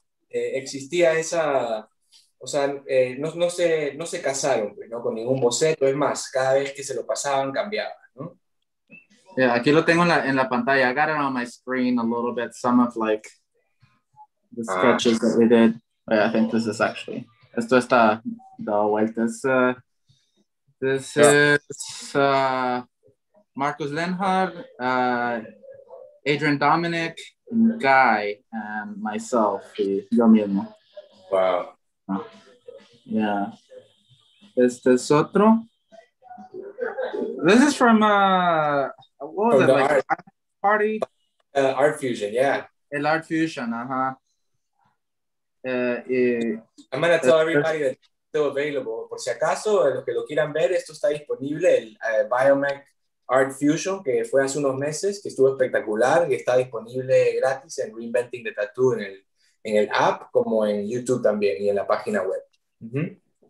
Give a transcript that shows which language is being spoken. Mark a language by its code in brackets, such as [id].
[es] existía esa, o sea, no se casaron, ¿no?, con ningún boceto, es más, cada vez que se lo pasaban cambiaba, ¿no? Yeah, aquí lo tengo en la pantalla. [en] I got it on my screen a little bit, some of the sketches that we did. I think this is actually, [es] esto está dado vuelta. [en] This is Marcus Lenhardt, Adrian Dominic, and Guy, and myself, [es] yo mismo. [en] Wow. Yeah. [es] Este es otro. [en] This is from, Art Party? Art Fusion, yeah. [es] El Art Fusion, uh-huh. [en] I'm going to tell everybody that it's still available. [es] Por si acaso, los que lo quieran ver, esto está disponible, el Biomech Art Fusion, que fue hace unos meses, que estuvo espectacular, y está disponible gratis en Reinventing the Tattoo, en el app, como en YouTube también, y en la página web.